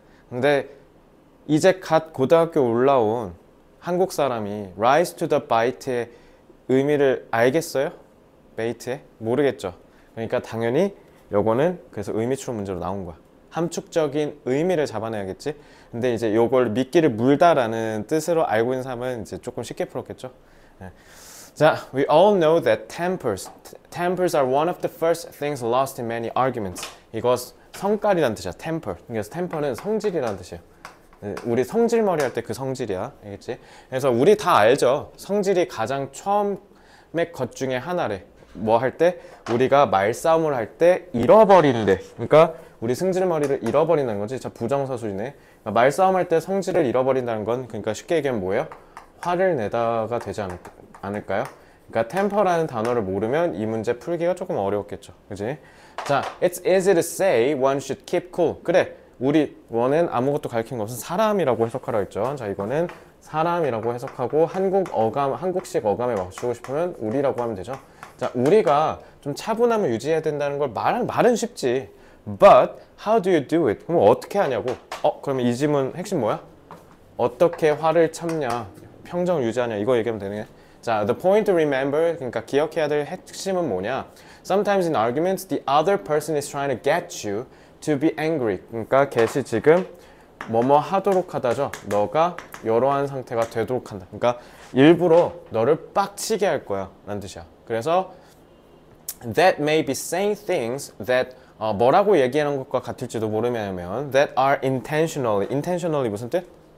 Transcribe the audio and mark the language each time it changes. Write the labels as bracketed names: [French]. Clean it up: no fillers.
[Korean] 근데 이제 갓 고등학교 올라온 한국 사람이 [English] rise to the bait [Korean] 의 의미를 알겠어요? 베이트에? 모르겠죠. 그러니까 당연히 요거는 그래서 의미추론 문제로 나온 거야. 함축적인 의미를 잡아내야겠지. 근데 이제 요걸 미끼를 물다라는 뜻으로 알고 있는 사람은 이제 조금 쉽게 풀었겠죠. 네. [English] 자, we all know that tempers are one of the first things lost in many arguments. [Korean] 이거 성깔이란 뜻이야. temper. 그래서 temper는 성질이란 뜻이야. 우리 성질머리 할 때 그 성질이야. 알겠지? 그래서 우리 다 알죠. 성질이 가장 처음의 것 중에 하나래. 뭐 할 때? 우리가 말싸움을 할 때 잃어버린대. 그러니까 우리 성질머리를 잃어버린다는 거지. 자, 부정서술이네. 그러니까 말싸움할 때 성질을 잃어버린다는 건, 그러니까 쉽게 얘기하면 뭐예요? 화를 내다가 되지 않을까요? 그러니까 temper라는 단어를 모르면 이 문제 풀기가 조금 어려웠겠죠. 그지? [English] 자, it's easy to say one should keep cool. [Korean] 그래, 우리 원은 아무것도 가르친 거 없어. 사람이라고 해석하라고 했죠. 자, 이거는 사람이라고 해석하고 한국 어감, 한국식 어감에 맞추고 싶으면 우리라고 하면 되죠. 자, 우리가 좀 차분함을 유지해야 된다는 걸 말은 쉽지. [English] But how do you do it? [Korean] 그럼 어떻게 하냐고. 그러면 이 질문 핵심 뭐야? 어떻게 화를 참냐, 평정 유지하냐, 이거 얘기하면 되는 게. 자, [English] the point to remember, [Korean] 그러니까 기억해야 될 핵심은 뭐냐. [English] Sometimes in arguments, the other person is trying to get you to be angry. [Korean] 그러니까 get이 지금 뭐뭐 하도록 하다죠. 너가 여러한 상태가 되도록 한다. 그러니까 일부러 너를 빡치게 할 거야 라는 뜻이야. 그래서 [English] that may be saying things that [Korean] 뭐라고 얘기하는 것과 같을지도 모르면 [English] that are intentionally. intentionally [Korean] 무슨 뜻?